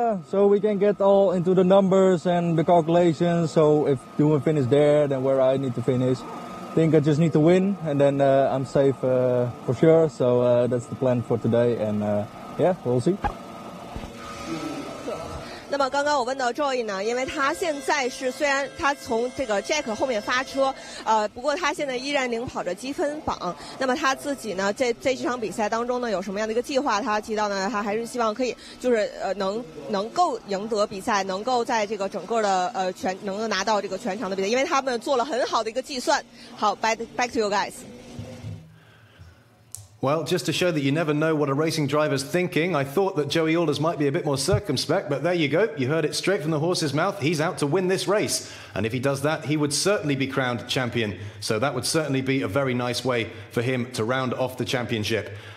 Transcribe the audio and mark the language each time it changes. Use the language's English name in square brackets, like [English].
[English] So we can get all into the numbers and the calculations. So if you will finish there, then where I need to finish. I think I just need to win, and then I'm safe for sure. So that's the plan for today, and we'll see. [Chinese] 那么刚刚我问到 Joey 呢，因为他现在是虽然他从这个 Jack 后面发车，不过他现在依然领跑着积分榜。那么他自己呢，在这场比赛当中呢，有什么样的一个计划？他提到呢，他还是希望可以就是能够赢得比赛，能够在这个整个的全能够拿到这个全场的比赛，因为他们做了很好的一个计算。好， [English] back to you guys. Well, just to show that you never know what a racing driver's thinking, I thought that Joey Alders might be a bit more circumspect, but there you go. You heard it straight from the horse's mouth. He's out to win this race. And if he does that, he would certainly be crowned champion. So that would certainly be a very nice way for him to round off the championship.